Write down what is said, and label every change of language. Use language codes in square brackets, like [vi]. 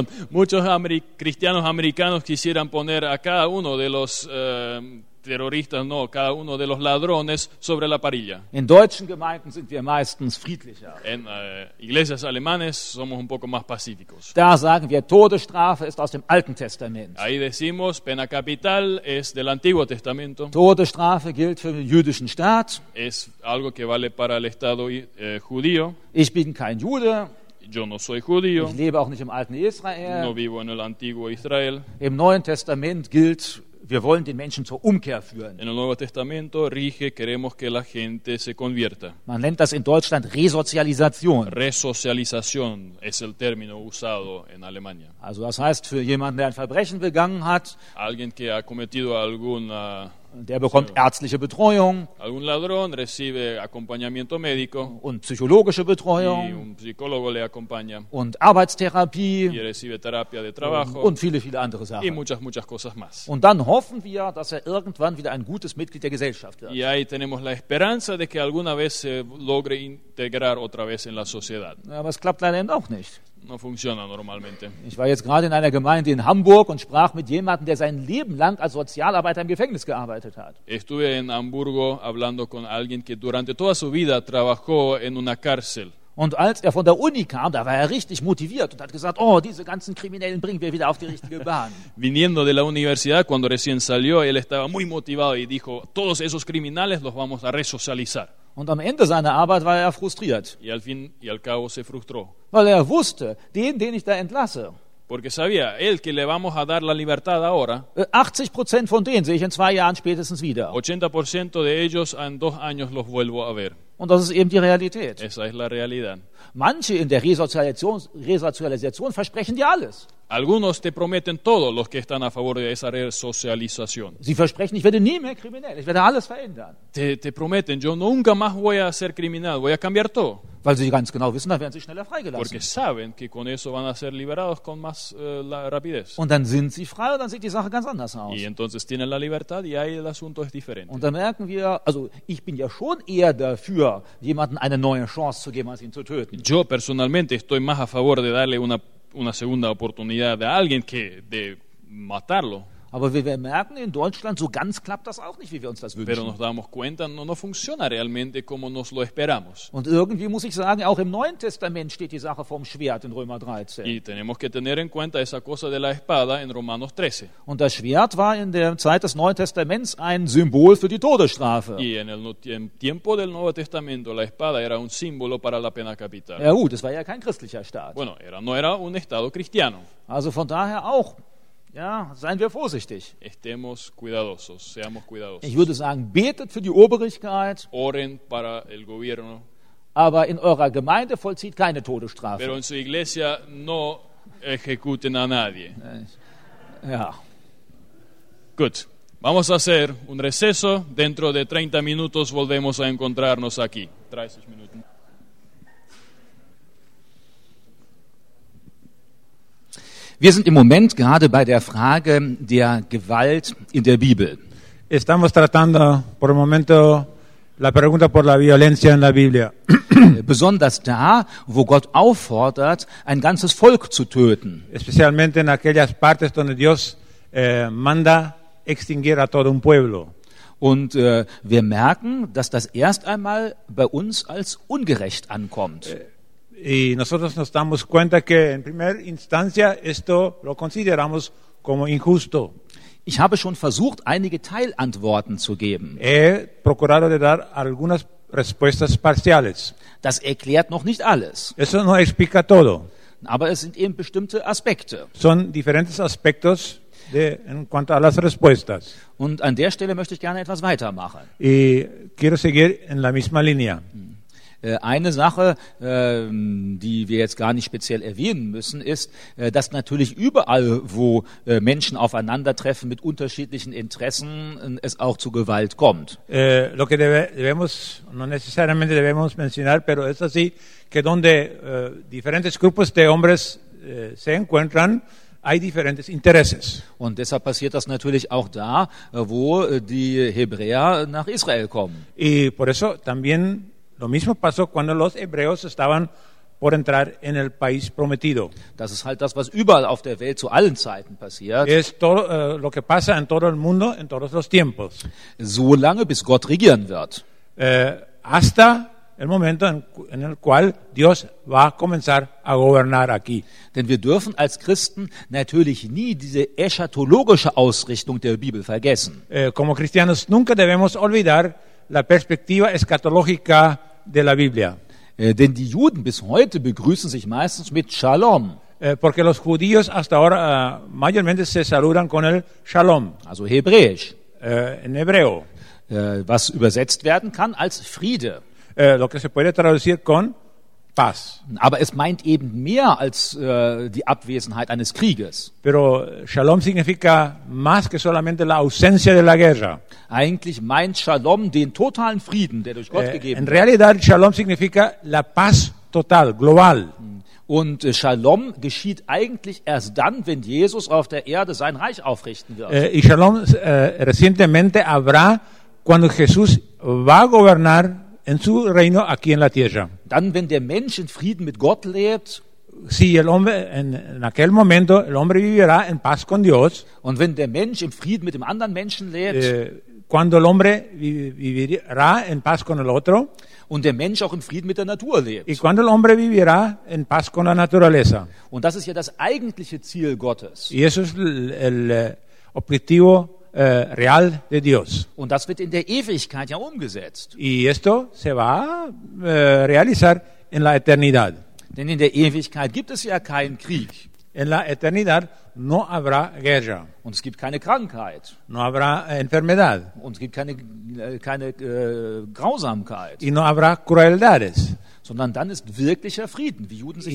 [es] Muchos cristianos americanos quisieran poner a cada uno de los terroristas, no, cada uno de los ladrones sobre la parrilla. [de] In deutschen Gemeinden sind wir meistens friedlicher. [es] En iglesias alemanes somos un poco más pacíficos. [de] Da sagen wir, Todesstrafe ist aus dem Alten Testament. [es] Ahí decimos, pena capital es del Antiguo Testamento. [de] Todesstrafe gilt für den jüdischen Staat. [es] Es algo que vale para el Estado judío. [de] Ich bin kein Jude. [es] Yo no soy judío. [de] Ich lebe auch nicht im alten Israel. [es] No vivo en el Antiguo Israel. [de] Im Neuen Testament gilt, wir wollen den Menschen zur Umkehr führen. [es] En el Nuevo Testamento rige, queremos que la gente se convierta. [de] Man nennt das in Deutschland Resozialisation. [es] Resozialisation es el término usado en Alemania. [de] Also das heißt, für jemanden, der ein Verbrechen begangen hat, [es] alguien que ha cometido alguna, [de] der bekommt ärztliche Betreuung, [es] algún ladrón recibe acompañamiento médico, [de] und psychologische Betreuung, [es] y un psicólogo le acompaña, [de] und Arbeitstherapie, [es] y recibe terapia de trabajo, [de] und viele, viele andere Sachen. [es] Y muchas, muchas cosas más. [de] Und dann hoffen wir, dass er irgendwann wieder ein gutes Mitglied der Gesellschaft wird. [es] Y ahí tenemos la esperanza de que alguna vez se logre integrar otra vez en la sociedad. [de] Aber es klappt leider eben auch nicht. [es] No funciona normalmente. [de] Ich war jetzt gerade in einer Gemeinde in Hamburg und sprach mit jemandem, der sein Leben lang als Sozialarbeiter im Gefängnis gearbeitet hat. [es] Estuve en Hamburgo hablando con alguien que durante toda su vida trabajó en una cárcel. [de] Und als er von der Uni kam, da war er richtig motiviert und hat gesagt, oh, diese ganzen Kriminellen bringen wir wieder auf die richtige Bahn. [es] Viniendo de la universidad, cuando recién salió, él estaba muy motivado y dijo, todos esos criminales los vamos a resocializar. [de] Und am Ende seiner Arbeit war er frustriert. [es] Y al fin y al cabo se frustró. [de] Weil er wusste, den ich da entlasse. [es] Porque sabía, el que le vamos a dar la libertad ahora. [de] 80% von denen sehe ich in zwei Jahren spätestens wieder. [es] 80% de ellos en dos años los vuelvo a ver. [de] Und das ist eben die Realität. [es] Esa es la realidad. [de] Manche in der Resozialisation versprechen dir alles. [es] Algunos te prometen todo, los que están a favor de esa resocialización. [de] Sie versprechen, ich werde nie mehr kriminell, ich werde alles verändern. [es] Te prometen, yo nunca más voy a ser criminal, voy a cambiar todo. [de] Weil sie ganz genau wissen, dann werden sie schneller freigelassen. [es] Porque saben que con eso van a ser liberados con más rapidez. [de] Und dann sind sie frei und dann sieht die Sache ganz anders aus. [es] Y entonces tienen la libertad y ahí el asunto es diferente. [de] Und dann merken wir, also ich bin ja schon eher dafür, jemanden eine neue Chance zu geben, als ihn zu töten. [es] Yo personalmente estoy más a favor de darle una una segunda oportunidad de alguien que de matarlo. [de] Aber wie wir merken, in Deutschland so ganz klappt das auch nicht, wie wir uns das wünschen. [es] Pero nos damos cuenta, no funciona realmente como nos lo esperamos. [de] Und irgendwie muss ich sagen, auch im Neuen Testament steht die Sache vom Schwert in Römer 13. [es] Y tenemos que tener en cuenta esa cosa de la espada en Romanos 13. [de] Und das Schwert war in der Zeit des Neuen Testaments ein Symbol für die Todesstrafe. [es] Y en el tiempo del Nuevo Testamento la espada era un símbolo para la pena capital. [de] Ja gut, es war ja kein christlicher Staat. [es] Bueno, no era un estado cristiano. [de] Also von daher auch. Ja, seien wir vorsichtig. [es] Estemos cuidadosos, seamos cuidadosos. [de] Ich würde sagen, betet für die Obrigkeit. [es] Oren para el gobierno. [de] Aber in eurer Gemeinde vollzieht keine Todesstrafe. [es] Pero en su iglesia no ejecuten a nadie. [de] Ja. Gut. [es] Vamos a hacer un receso. Dentro de 30 minutos volvemos a encontrarnos aquí. 30 minutos. [de] Wir sind im Moment gerade bei der Frage der Gewalt in der Bibel. [es] Estamos tratando por el momento la pregunta por la violencia en la Biblia. [de] Besonders da, wo Gott auffordert, ein ganzes Volk zu töten. [es] Especialmente en aquellas partes donde Dios manda extinguir a todo un pueblo. [de] Und wir merken, dass das erst einmal bei uns als ungerecht ankommt. [es] Y nosotros nos damos cuenta que en primera instancia esto lo consideramos como injusto. [de] Ich habe schon versucht, einige Teilantworten zu geben. [es] He procurado de dar algunas respuestas parciales. [de] Das erklärt noch nicht alles. [es] Eso no explica todo. [de] Aber es sind eben bestimmte Aspekte. [es] Son diferentes aspectos de, en cuanto a las respuestas. [de] Und an der Stelle möchte ich gerne etwas weitermachen. [es] Y quiero seguir en la misma línea. [de] Eine Sache, die wir jetzt gar nicht speziell erwähnen müssen, ist, dass natürlich überall, wo Menschen aufeinandertreffen mit unterschiedlichen Interessen, es auch zu Gewalt kommt. [es] Lo que debemos, no necesariamente debemos mencionar, pero es así, que donde diferentes grupos de hombres se encuentran, hay diferentes intereses. [de] Und deshalb passiert das natürlich auch da, wo die Hebräer nach Israel kommen. [es] Y por eso también lo mismo pasó cuando los hebreos estaban por entrar en el país prometido. [de] Das ist halt das, was überall auf der Welt zu allen Zeiten passiert. [es] Es todo lo que pasa en todo el mundo en todos los tiempos. [de] So lange, bis Gott regieren wird. [es] Hasta el momento en el cual Dios va a comenzar a gobernar aquí. [de] Denn wir dürfen als Christen natürlich nie diese eschatologische Ausrichtung der Bibel vergessen. [es] Como cristianos nunca debemos olvidar la perspectiva escatológica de la Biblia. [de] Denn die Juden bis heute begrüßen sich meistens mit Shalom. [es] Porque los judíos hasta ahora mayormente se saludan con el Shalom. [de] Also hebräisch. [es] En hebreo. [de] Was übersetzt werden kann als Friede. [es] Lo que se puede traducir con paz. [de] Aber es meint eben mehr als die Abwesenheit eines Krieges. [es] Pero Shalom significa más que solamente la ausencia de la guerra. [de] Eigentlich meint Shalom den totalen Frieden, der durch Gott gegeben wird. [es] En realidad Shalom significa la paz total, global. [de] Und Shalom geschieht eigentlich erst dann, wenn Jesus auf der Erde sein Reich aufrichten wird. [es] Y Shalom recientemente habrá cuando Jesús va a gobernar en su reino aquí en la tierra. [de] Dann, wenn der Mensch in Frieden mit Gott lebt, [es] si el hombre, en aquel momento el hombre vivirá en paz con Dios. [de] Und wenn der Mensch im Frieden mit dem anderen Menschen lebt, [es] cuando el hombre vivirá en paz con el otro, [de] und der Mensch auch im Frieden mit der Natur lebt. [es] Y cuando el hombre vivirá en paz con la naturaleza. [de] Und das ist ja das eigentliche Ziel Gottes. [es] Y eso es el objetivo real de Dios. [de] Und das wird in der Ewigkeit ja umgesetzt. [es] Y esto se va a realizar en la eternidad. [de] Denn in der Ewigkeit gibt es ja keinen Krieg. [es] En la eternidad no habrá guerra. [de] Und es gibt keine Krankheit. [es] No habrá enfermedad. [de] Und es gibt keine Grausamkeit. [es] Y no habrá crueldades. [de] Sondern dann ist wirklicher Frieden, wie Juden sich